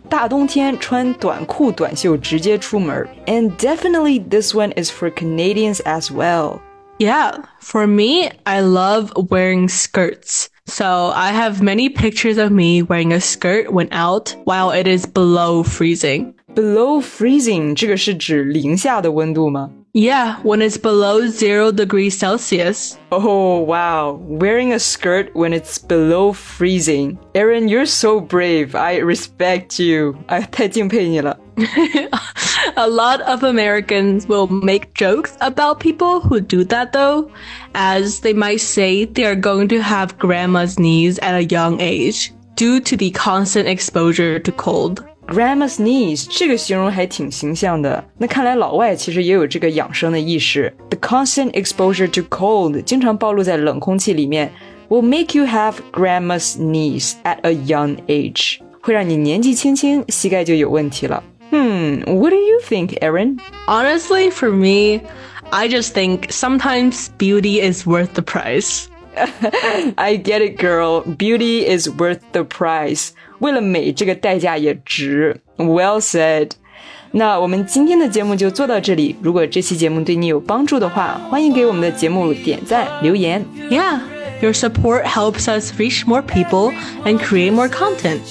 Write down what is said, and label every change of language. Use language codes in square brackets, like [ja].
[zh] 大冬天穿短裤短袖直接出门。 [en] And definitely this one is for Canadians as well. Yeah, for me, I love wearing skirts. So I have many pictures of me wearing a skirt when out while it is below freezing. Below freezing, [zh] 这个是指零下的温度吗? [en] Yeah, when it's below 0 degrees Celsius. Oh, wow. Wearing a skirt when it's below freezing. Aaron, you're so brave. I respect you. [zh] 哎，太敬佩你了。 [en] A lot of Americans will make jokes about people who do that though, as they might say they are going to have grandma's knees at a young age due to the constant exposure to cold. Grandma's knees, [zh] 这个形容还挺形象的。那看来老外其实也有这个养生的意识。 [en] The constant exposure to cold, [zh] 经常暴露在冷空气里面, [en] will make you have grandma's knees at a young age. [zh] 会让你年纪轻轻膝盖就有问题了。 [en] What do you think, Aaron? Honestly, for me, I just think sometimes beauty is worth the price. I get it, girl. Beauty is worth the price. [zh] 为了美，这个代价也值。 [en] Well said. [zh] 那我们今天的节目就做到这里。如果这期节目对你有帮助的话，欢迎给我们的节目点赞、留言。 [en] Yeah, your support helps us reach more people and create more content.